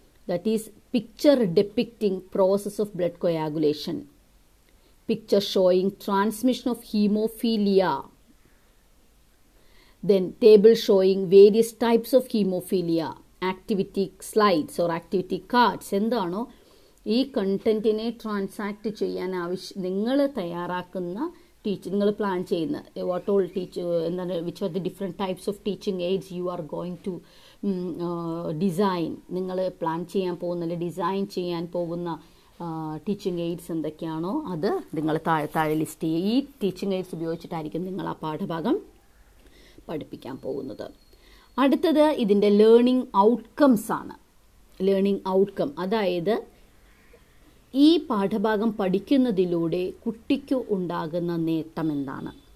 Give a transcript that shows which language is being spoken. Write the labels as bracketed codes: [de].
[en] That is picture depicting process of blood coagulation, picture showing transmission of hemophilia, then table showing various types of hemophilia, activity slides or activity cards. [ml] endano ee [en] content [ml] ine [en] transact [ml] cheyan avashyam ningal tayaraakuna [en] teach [ml] ningal [en] plan [ml] cheyna [en] what all teach [ml] endano [en] which are the different types of teaching aids you are going to [ml] design, നിങ്ങൾ plan ചെയ്യാൻ പോകുന്ന അല്ലെങ്കിൽ design ചെയ്യാൻ പോകുന്ന teaching AIDS എന്തൊക്കെയാണോ അത് നിങ്ങൾ താഴെ താഴെ ലിസ്റ്റ് ചെയ്യുക. ഈ ടീച്ചിങ് എയ്ഡ്സ് ഉപയോഗിച്ചിട്ടായിരിക്കും നിങ്ങൾ ആ പാഠഭാഗം പഠിപ്പിക്കാൻ പോകുന്നത്. അടുത്തത് ഇതിൻ്റെ ലേണിംഗ് ഔട്ട്കംസാണ്. ലേണിംഗ് ഔട്ട്കം, അതായത് ഈ പാഠഭാഗം പഠിക്കുന്നതിലൂടെ കുട്ടിക്ക് ഉണ്ടാകുന്ന നേട്ടം എന്താണ്.